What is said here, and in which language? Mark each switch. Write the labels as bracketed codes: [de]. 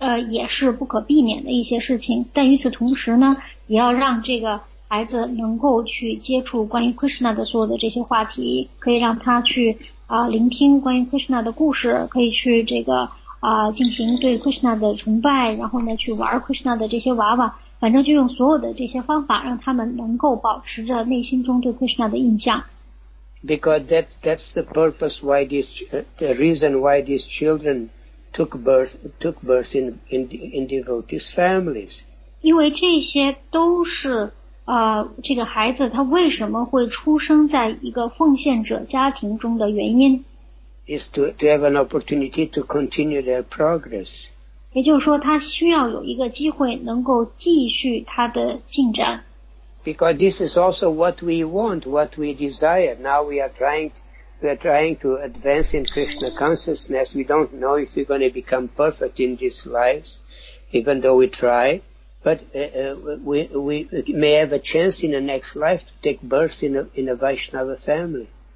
[zh] 也是不可避免的一些事情, 但与此同时呢, 也要让这个孩子能够去接触关于Krishna的所有的这些话题, 可以让他去 聆听关于Krishna的故事, 可以去这个 进行对Krishna的崇拜, 然后呢去玩Krishna的这些娃娃, 反正就用所有的这些方法, 让他们能够保持着内心中对Krishna的印象。 [en] Because that's the purpose why the reason why these children took birth in devotees' families. [zh] 因为这些都是 这个孩子他为什么会出生在一个奉献者家庭中的原因? [en] Is to have an opportunity to continue their progress. [zh] 也就是说他需要有一个机会能够继续他的进展。 [en] Because this is also what we want, what we desire. Now we are trying to advance in Krishna consciousness. We don't know if we're going to become perfect in these lives, even though we try. But we may have a chance in the next life to take birth in a Vaishnava family.